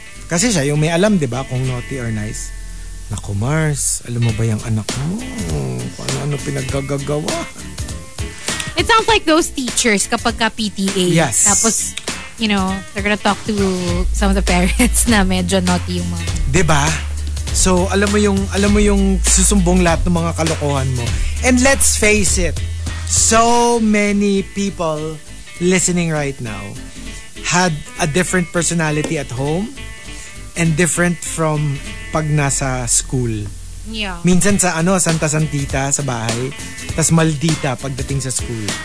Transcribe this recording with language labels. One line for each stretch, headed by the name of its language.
Filipino: Kasi siya yung may alam, di ba, kung naughty or nice. Naku, Mars, alam mo ba yung anak mo? Paano pinaggagawa?
English: It sounds like those teachers
Filipino: kapag ka
English: PTA. Yes.
Filipino: Tapos,
English: you know, they're gonna talk to some of the parents
Filipino: na medyo naughty yung mga. Diba? So, alam mo yung susumbong lahat ng mga kalokohan mo.
English: And let's face it, so many people listening right now had a different personality at home and different from
Filipino: pag nasa school.
English: Yeah.
Filipino: Minsan sa ano, santa-santita sa bahay, tas maldita pagdating sa school.